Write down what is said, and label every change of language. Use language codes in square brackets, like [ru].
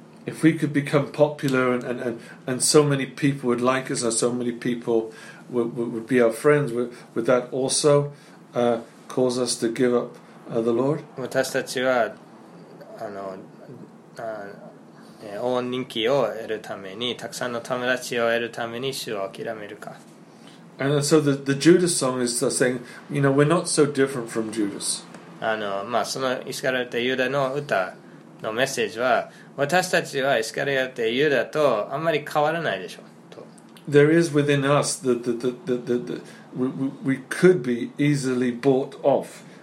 [en] If we could become popular and so many people would like us, and so many people would be our friends, would that also cause us to give up the Lord? [ja] 私たちは大人気を得るために、たくさんの友達を得るために、主を諦めるか。 [en] And so the Judas song is saying, you know, we're not so different from Judas. [ja] そのイスカリオテユダの歌のメッセージは、私たちはイスカリオテユダとあんまり変わらないでしょうと。 [en] There is within us that we could be easily bought off.